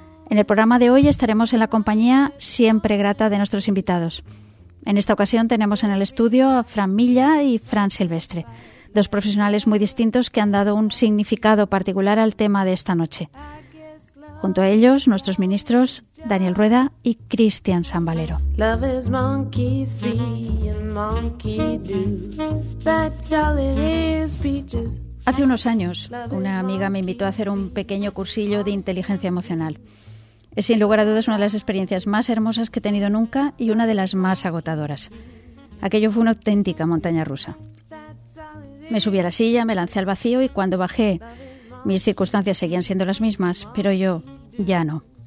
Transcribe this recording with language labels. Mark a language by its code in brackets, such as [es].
[es] En el programa de hoy estaremos en la compañía siempre grata de nuestros invitados. En esta ocasión tenemos en el estudio a Fran Milla y Fran Silvestre, dos profesionales muy distintos que han dado un significado particular al tema de esta noche. Junto a ellos, nuestros ministros Daniel Rueda y Cristian San Valero. [en] Love is monkey see and monkey do. That's all it is, peaches. [es] Hace unos años, una amiga me invitó a hacer un pequeño cursillo de inteligencia emocional. Es sin lugar a dudas una de las experiencias más hermosas que he tenido nunca y una de las más agotadoras. Aquello fue una auténtica montaña rusa. Me subí a la silla, me lancé al vacío y cuando bajé, mis circunstancias seguían siendo las mismas, pero yo ya no.